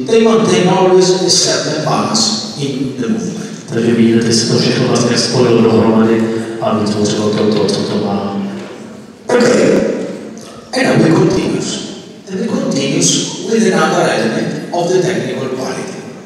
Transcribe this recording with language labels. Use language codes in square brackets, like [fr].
[en] They maintain always a certain balance in the movement. [cs] Takže vidíte, se to všechno vlastně spojilo dohromady a vytvořilo to, co to má. [en] Okay. And now we continue. And we continue with another element of the technical quality.